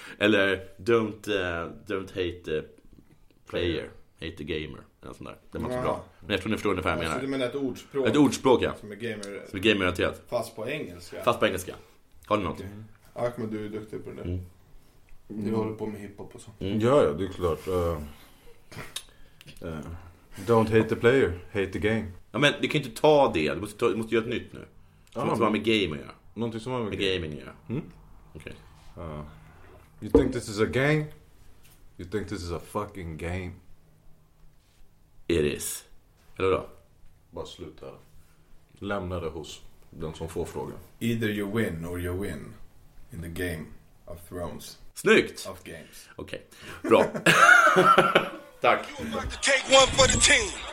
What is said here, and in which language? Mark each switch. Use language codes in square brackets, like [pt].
[en] Eller don't hate the player, hate the gamer. [sv] Något sånt där. Det är bra. Men jag tror ni förstår ungefär vad jag menar. Du menar ett ordspråk? Ett ordspråk, ja. Som är gamer. Som är gamer. Fast på engelska. Fast på engelska. Har du något? Okay. Akma, du är duktig på det. Du håller på med hiphop och så. Ja, det är klart. [en] Don't hate the player, hate the game. [sv] Ja, men du kan inte ta det. Du måste göra ett nytt nu. Som har med gaming att göra. Någonting som har med gaming att göra. [en] Okej. You think this is a game? You think this is a fucking game? It is. [sv] Eller då? Bara sluta. Lämna det hos den som får frågan. [en] Either you win or you win. In the game of thrones. [sv] Snyggt! [en] Of games. Okej, okay. [sv] Bra. Tack. [en] Take one for the team.